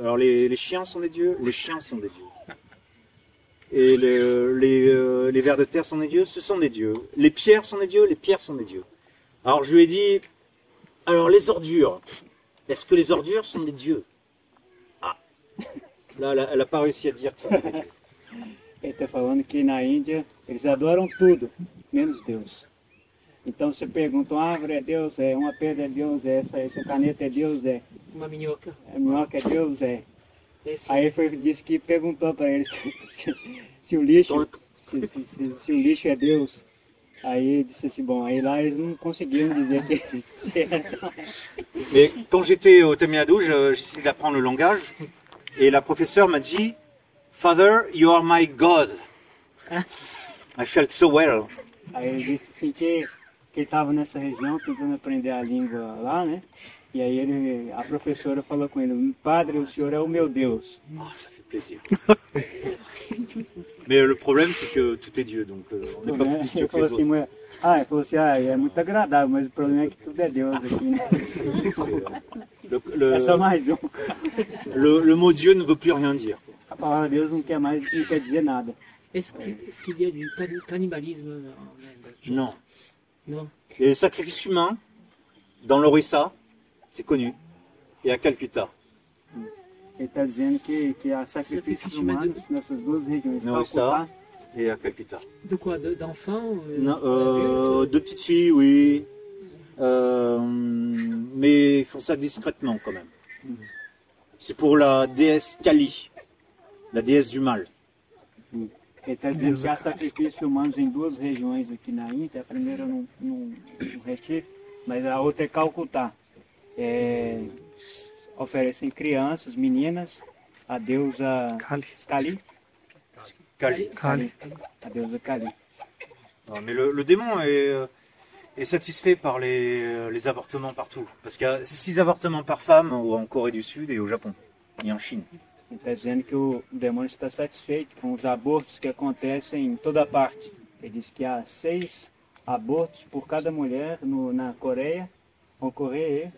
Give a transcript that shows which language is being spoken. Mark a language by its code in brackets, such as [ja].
[fr] Alors les chiens sont des dieux? Les chiens sont des dieux. Et les vers de terre sont des dieux? Ce sont des dieux. Les pierres sont des dieux? Les pierres sont des dieux. Alors je lui ai dit, alors les ordures, est-ce que les ordures sont des dieux? Ah, là, elle n'a pas réussi à dire que c'est des dieux. [pt] Ele está falando que na Índia eles adoram tudo, menos Deus. Então você pergunta, uma árvore é Deus, é uma pedra é Deus, é essa caneta é Deus, é uma minhoca. A minhoca é Deus, é. Esse. Aí foi disse que perguntou para ele se o lixo, se o lixo é Deus. Aí disse assim, bom, aí lá eles não conseguiram dizer que [fr] Mais quand j'étais au Tamiadou, j'essayais d'apprendre le langage et la professeure m'a dit [en] Father, you are my God. I felt so well. [pt] Aí ele disse assim que estava nessa região tentando aprender a língua lá, né? E aí ele, a professora falou com ele, Padre, o senhor é o meu Deus. Nossa, que plaisir. Mas o problema é que tudo é Deus, então... Ele falou assim, mulher, ah, ele falou assim, ah, é muito agradável, mas o problema é que tudo é Deus aqui, né? É só mais um. [fr] Le mot Dieu ne veut plus rien dire. [pt] A palavra Deus não quer mais, não quer dizer nada. [fr] Est-ce qu'il y a du cannibalisme en Inde? Non. Non. Et le sacrifice humain, dans l'Orissa, c'est connu. Et à Calcutta. Il est en train de dire qu'il y a un sacrifice humain dans ces deux régions. Dans l'Orissa et à Calcutta. De quoi? D'enfants? De petites filles, oui. Mais ils font ça discrètement quand même. C'est pour la déesse Kali, la déesse du mal. [pt] Ele está dizendo que há sacrifícios humanos em duas regiões aqui na Índia. A primeira no Retiro, mas a outra é Calcutá. É, oferecem crianças, meninas, a deusa Kali. Kali? Kali. Kali. A deusa Kali. Não, mas o [fr] démon est satisfait par les avortements partout. Parce qu'il y a 6 avortements par femme en Corée du Sud et au Japon et en Chine. [pt] Ele está dizendo que o demônio está satisfeito com os abortos que acontecem em toda parte. Ele diz que há 6 abortos por cada mulher na Coreia, ou Coreia...